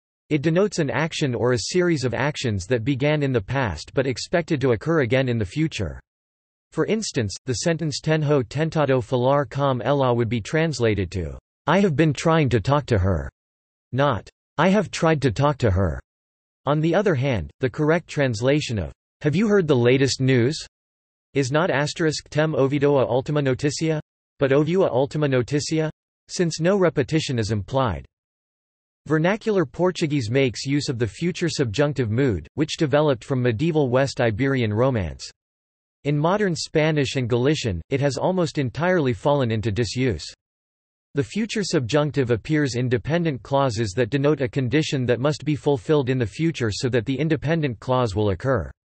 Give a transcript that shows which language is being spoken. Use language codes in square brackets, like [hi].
[en] It denotes an action or a series of actions that began in the past but expected to occur again in the future. For instance, the sentence [pt] Tenho tentado falar com ela [en] would be translated to I have been trying to talk to her, not I have tried to talk to her. On the other hand, the correct translation of Have you heard the latest news? Is not asterisk [pt] tem ouvido a última notícia? [en] But [pt] ouviu a última notícia? [en] Since no repetition is implied. Vernacular Portuguese makes use of the future subjunctive mood, which developed from medieval West Iberian Romance. In modern Spanish and Galician, it has almost entirely fallen into disuse. The future subjunctive appears in dependent clauses that denote a condition that must be fulfilled in the future so that the independent clause will occur.